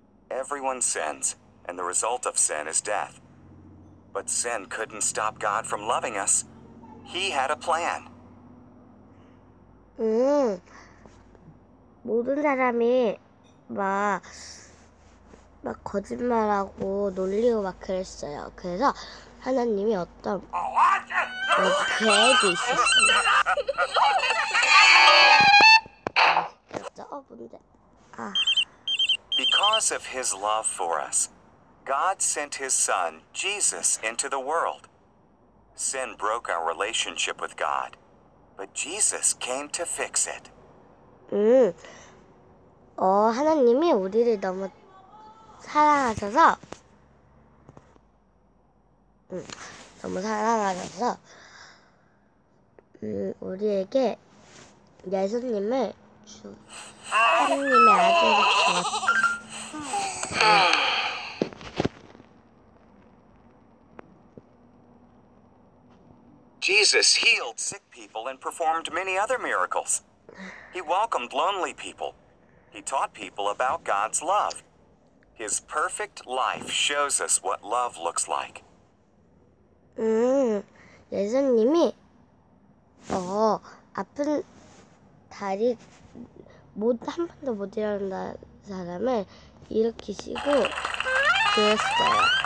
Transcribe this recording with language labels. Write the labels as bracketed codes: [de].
[en] Everyone sins, and the result of sin is death. But sin couldn't stop God from loving us. He had a plan. [ko] 모든 사람이 막 거짓말하고 놀리고 막 그랬어요. 그래서 하나님이 어떤 계획이 있었어요. 뭔데? [en] Because of his love for us, God sent his son, Jesus, into the world. Sin broke our relationship with God, but Jesus came to fix it. [ko] 하나님이 우리를 너무 사랑하셔서, 너무 사랑하셔서, 우리에게 예수님을 하나님의 아들을 [en] Jesus healed sick people and performed many other miracles. He welcomed lonely people. He taught people about God's love. His perfect life shows us what love looks like. [ko] 예수님이 아픈 다리 한 번도 못 일어난 사람을 일으키시고 그랬어요.